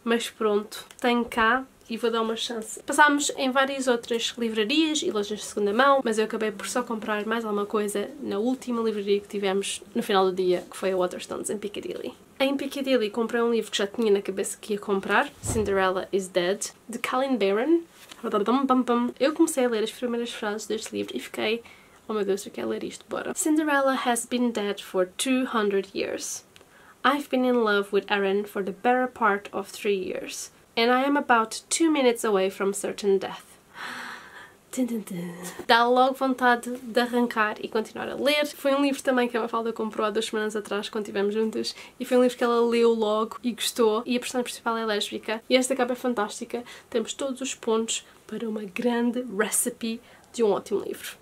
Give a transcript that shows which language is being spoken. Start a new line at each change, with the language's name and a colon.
Portuguese: Mas pronto, tenho cá. E vou dar uma chance. Passámos em várias outras livrarias e lojas de segunda mão, mas eu acabei por só comprar mais alguma coisa na última livraria que tivemos no final do dia, que foi a Waterstones em Piccadilly. Em Piccadilly comprei um livro que já tinha na cabeça que ia comprar, Cinderella is Dead, de Colin Baron. Eu comecei a ler as primeiras frases deste livro e fiquei, oh meu Deus, eu quero ler isto, bora.
English: Cinderella has been dead for 200 years. I've been in love with Aaron for the better part of 3 years. And I am about 2 minutes away from certain death.
Portuguese: Dá logo vontade de arrancar e continuar a ler. Foi um livro também que a Mafalda comprou há 2 semanas atrás, quando estivemos juntas. E foi um livro que ela leu logo e gostou. E a personagem principal é lésbica. E esta capa é fantástica. Temos todos os pontos para uma grande recipe de um ótimo livro.